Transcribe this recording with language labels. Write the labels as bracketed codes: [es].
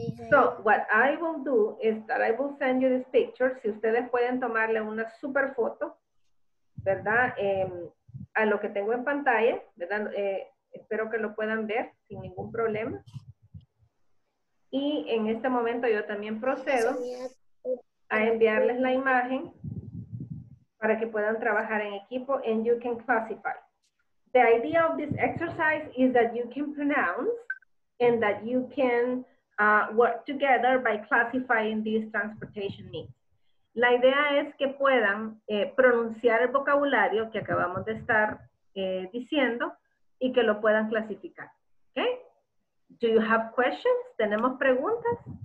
[en] So, what I will do is that I will send you this picture. [es] Si ustedes pueden tomarle una super foto, ¿verdad? A lo que tengo en pantalla, ¿verdad? Espero que lo puedan ver sin ningún problema. Y en este momento yo también procedo a enviarles la imagen para que puedan trabajar en equipo. [en] And you can classify. The idea of this exercise is that you can pronounce and that you can work together by classifying these transportation needs. [es] La idea es que puedan pronunciar el vocabulario que acabamos de estar diciendo y que lo puedan clasificar. [en] Okay? Do you have questions? [es] ¿Tenemos preguntas?